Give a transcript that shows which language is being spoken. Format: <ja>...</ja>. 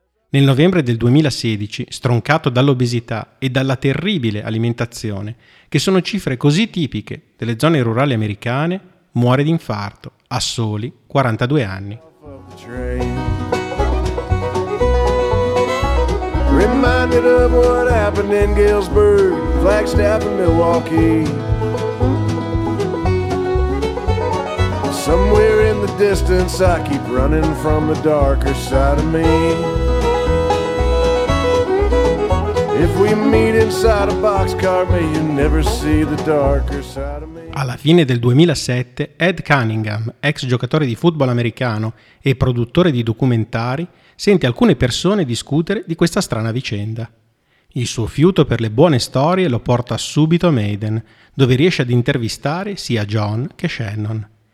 <it>Nel novembre del 2016, stroncato dall'obesità e dalla terribile alimentazione, che sono cifre così tipiche delle zone rurali americane, muore di infarto a soli 42 anni.</it> <en>Reminded of what happened in Galesburg, Flagstaff and Milwaukee. Somewhere in the distance, I keep running from the darker side of me. If we meet inside a boxcar, may you never see the darker side of me.</en> <it>Alla fine del 2007, Ed Cunningham, ex giocatore di football americano e produttore di documentari, sente alcune persone discutere di questa strana vicenda. Il suo fiuto per le buone storie lo porta subito a Maiden, dove riesce ad intervistare sia John che Shannon.</it>